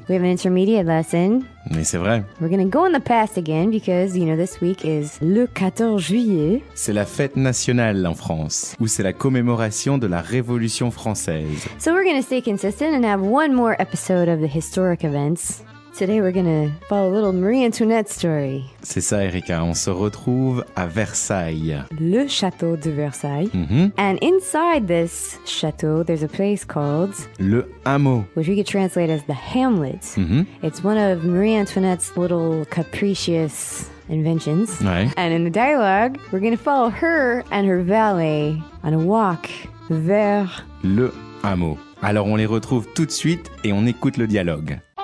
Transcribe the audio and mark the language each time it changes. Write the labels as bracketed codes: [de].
[en] We have an intermediate lesson. [fr] Mais c'est vrai. [en] We're going to go in the past again because, you know, this week is [fr] le 14 juillet. C'est la fête nationale en France, où c'est la commémoration de la Révolution française. [en] So we're going to stay consistent and have one more episode of the historic events. Today we're going to follow a little Marie Antoinette story. [fr] C'est ça, Erika. On se retrouve à Versailles. Le château de Versailles. Mm-hmm. [en] And inside this château, there's a place called... [fr] Le Hameau. [en] Which we could translate as the Hamlet. Mm-hmm. It's one of Marie Antoinette's little capricious inventions. [fr] Ouais. [en] And in the dialogue, we're going to follow her and her valet on a walk vers... [fr] Le Hameau. Alors on les retrouve tout de suite et on écoute le dialogue.